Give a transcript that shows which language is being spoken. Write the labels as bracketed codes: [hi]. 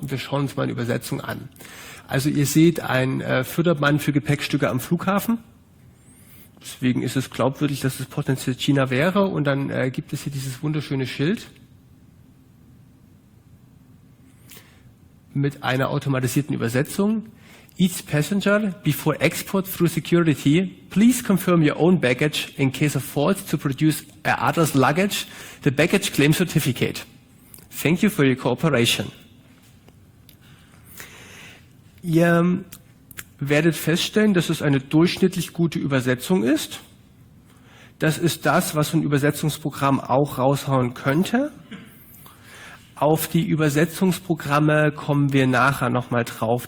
[de] Wir schauen uns mal eine Übersetzung an. Also ihr seht ein Fördermann für Gepäckstücke am Flughafen. Deswegen ist es glaubwürdig, dass es potenziell China wäre. Und dann gibt es hier dieses wunderschöne Schild mit einer automatisierten Übersetzung. [en] Each passenger, before export through security, please confirm your own baggage in case of fault to produce other's luggage, the baggage claim certificate. Thank you for your cooperation. [de] Ja. Werdet feststellen, dass es eine durchschnittlich gute Übersetzung ist. Das ist das, was ein Übersetzungsprogramm auch raushauen könnte. auf die Übersetzungsprogramme kommen wir nachher nochmal drauf.